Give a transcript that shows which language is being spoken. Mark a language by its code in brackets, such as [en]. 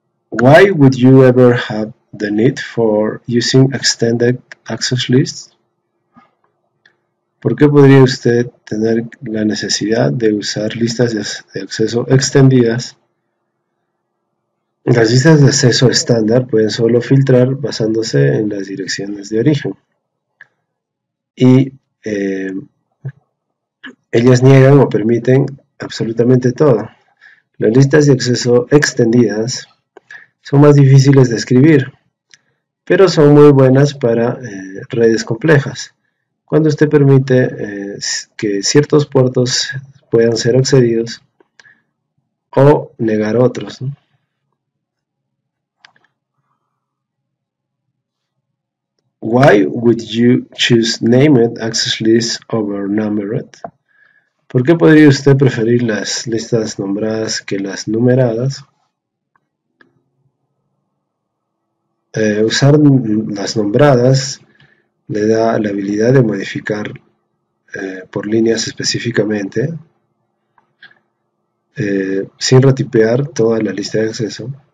[en] Why would you ever have the need for using extended access lists? [es] ¿Por qué podría usted tener la necesidad de usar listas de acceso extendidas? Las listas de acceso estándar pueden solo filtrar basándose en las direcciones de origen. Y ellas niegan o permiten absolutamente todo. Las listas de acceso extendidas son más difíciles de escribir, pero son muy buenas para redes complejas. Cuando usted permite que ciertos puertos puedan ser accedidos o negar otros, ¿no? [en] Why would you choose named access list over numbered? [es] ¿Por qué podría usted preferir las listas nombradas que las numeradas? Usar las nombradas le da la habilidad de modificar por líneas específicamente, sin retipear toda la lista de acceso.